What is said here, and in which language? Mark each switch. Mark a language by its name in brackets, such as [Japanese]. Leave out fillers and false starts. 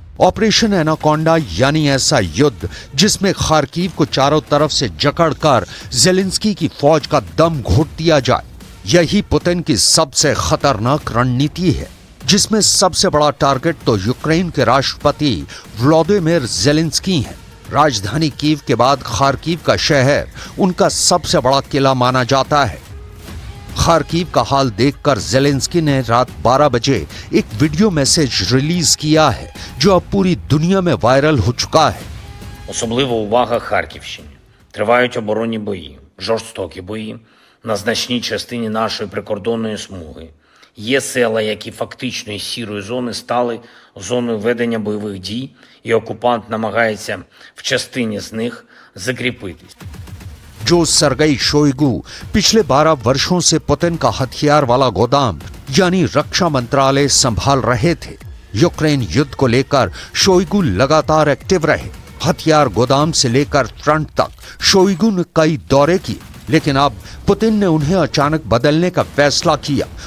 [Hindi] Operation anaconda यानी ऐसा युद्ध जिसमें खार्कीव को चारों तरफ से जकड़कर जेलेंस्की की फौज का दम घोट दिया जाए, यही पुतिन की सबसे खतरनाक रणनीति है, जिसमें सबसे बड़ा टारगेट तो यूक्रेन के राष्ट्रपति व्लादिमीर जेलेंस्की हैं। राजधानी कीव के बाद खार्कीव का शहर उनका सबसे बड़ा किला माना जाता है। खार्कीव का हाल देखकर जेलेंस्की ने रात 12 बजे एक वीडियो मैसेज रिलीज किया है जो अब पूरी दुनिया में वायरल हो चुका है। [Ukrainian] особливо увага Харківщині. Тривають оборонні бої, жорстокі бої на значній частині нашої прикордонної смуги. Є села, які фактично із сірої зони стали зоною ведення бойових дій, і окупант намагається в частині з них закріпитись. [Hindi] जो सरगई शोइगु पिछले 12 वर्षों से पुतिन का हथियार वाला गोदाम यानी रक्षा मंत्रालय संभाल रहे थे। यूक्रेन युद्ध को लेकर शोइगु लगातार एक्टिव रहे। हथियार गोदाम से लेकर फ्रंट तक शोइगु ने कई दौरे किए, लेकिन अब पुतिन ने उन्हें अचानक बदलने का फैसला किया।